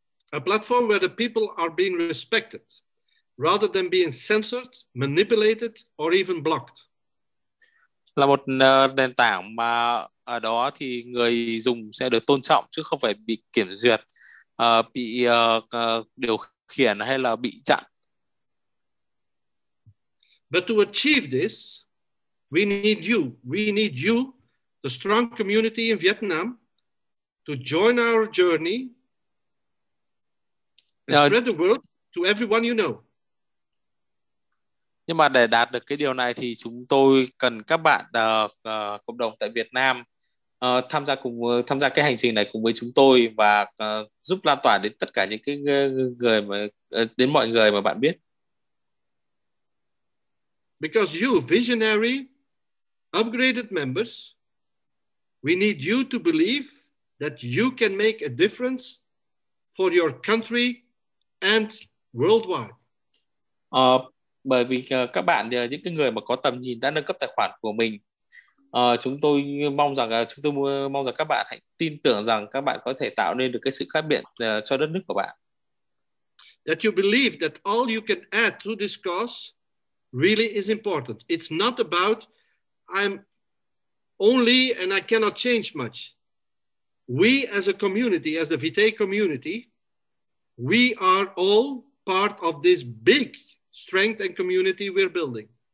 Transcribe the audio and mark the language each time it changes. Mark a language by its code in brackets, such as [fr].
[en] A platform where the people are being respected rather than being censored, manipulated or even blocked. [vi] Là một nền tảng mà ở đó thì người dùng sẽ được tôn trọng chứ không phải bị kiểm duyệt, bị điều khiển hay là bị chặn. [en] But to achieve this, we need you, the strong community in Vietnam, to join our journey and spread the word to everyone you know. [vi] Nhưng mà để đạt được cái điều này thì chúng tôi cần các bạn cộng đồng tại Việt Nam tham gia cái hành trình này cùng với chúng tôi và giúp lan tỏa đến tất cả những cái người mà đến mọi người mà bạn biết. [en] Because you, visionary, upgraded members, we need you to believe that you can make a difference for your country and worldwide. [vi] Bởi vì các bạn, những cái người mà có tầm nhìn đã nâng cấp tài khoản của mình, Chúng tôi mong rằng các bạn hãy tin tưởng rằng các bạn có thể tạo nên được cái sự khác biệt cho đất nước của bạn. [en] That you believe that all you can add to this cause really is important. It's not about I'm only and I cannot change much. We as a community, as the Vitae community, we are all part of this big strength and community we're building.